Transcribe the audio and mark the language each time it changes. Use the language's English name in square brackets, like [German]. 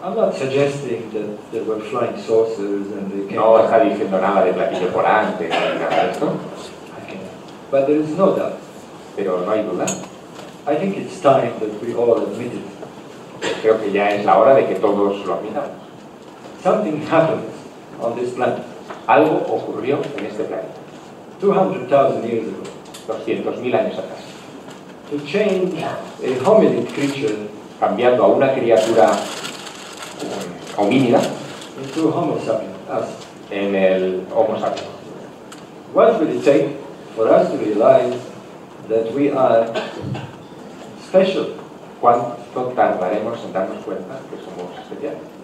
[English] I'm not suggesting that there were flying saucers and they came. [Spanish] No está diciendo nada de platillos volantes, nada de esto. [English] Okay. But there is no doubt. [Spanish] Pero no hay duda. [English] I think it's time that we all admit it. [Spanish] Creo que ya es la hora de que todos lo admitamos. [English] Something happened on this planet. [Spanish] Algo ocurrió en este planeta. [English] 200,000 years ago. [Spanish] 200,000 años atrás. [English] To change a hominid creature. [Spanish] Cambiando a una criatura homínida [English] Homo sapiens, [Spanish] en el Homo sapiens. [English] What will it take for us to realize that we are special? [Spanish] ¿Cuánto tardaremos en darnos cuenta que somos especiales?